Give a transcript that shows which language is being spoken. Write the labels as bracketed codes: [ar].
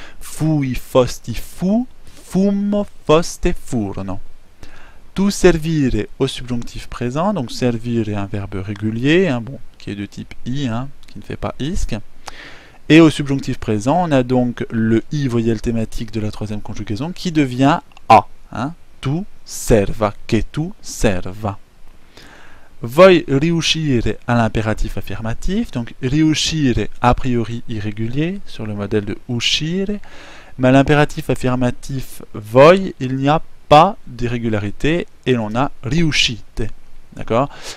[it] Fui fosti fu, fummo foste furono. [fr] Tu servire au subjonctif présent, donc servir est un verbe régulier, hein, bon, qui est de type i, hein, qui ne fait pas isque. Et au subjonctif présent, on a donc le i voyelle thématique de la troisième conjugaison qui devient a. [it] Hein, tu serva, che tu serva. [fr] Vuoi riuscire à l'impératif affirmatif, donc riuscire a priori irrégulier sur le modèle de uscire, mais à l'impératif affirmatif vuoi, il n'y a pas d'irrégularité et l'on a [it] riuscite. [fr] D'accord?